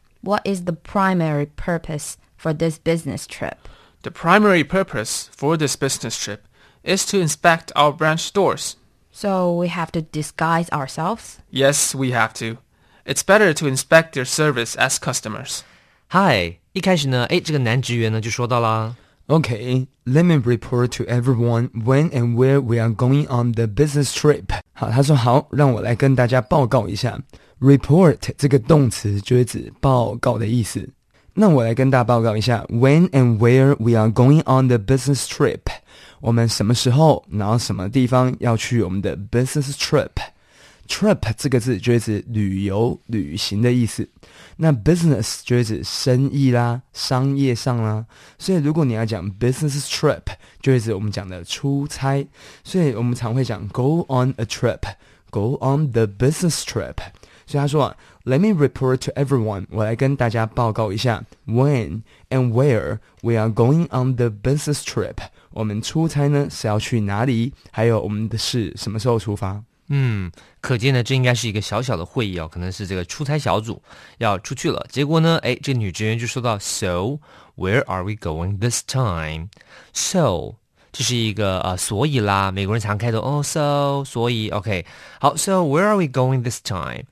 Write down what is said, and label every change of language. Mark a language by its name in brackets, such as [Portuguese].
[English] What is the primary purpose for this business trip? The primary purpose for this business trip is to inspect our branch stores. So we have to disguise ourselves? Yes, we have to. It's better to inspect their service as customers. [Chinese] Hi, 一开始呢，哎，这个男职员呢就说到了。 [English] Okay, let me report to everyone when and where we are going on the business trip. [Chinese] 好，他说好，让我来跟大家报告一下。 Report 这个动词就是指报告的意思。那我来跟大家报告一下 [English] when and where we are going on the business trip. [Chinese] 我们什么时候，然后什么地方要去我们的 business trip。 Trip 这个字就是旅游、旅行的意思。那 business 就是生意啦、商业上啦。所以如果你要讲 business trip, 就是我们讲的出差。所以我们常会讲 [English] go on a trip, go on the business trip。 [Chinese] 所以他说啊 , [English] let me report to everyone, [Chinese] 我来跟大家报告一下 [English] when and where we are going on the business trip。 [Chinese] 我们出差呢是要去哪里，还有我们的是什么时候出发。嗯，可见呢，这应该是一个小小的会议哦，可能是这个出差小组要出去了。结果呢，哎，这女职员就说到 ， [English] So where are we going this time? [Chinese] So 这是一个所以啦，美国人常开头哦 ，So 所以 ，OK， 好 ， [English] So where are we going this time?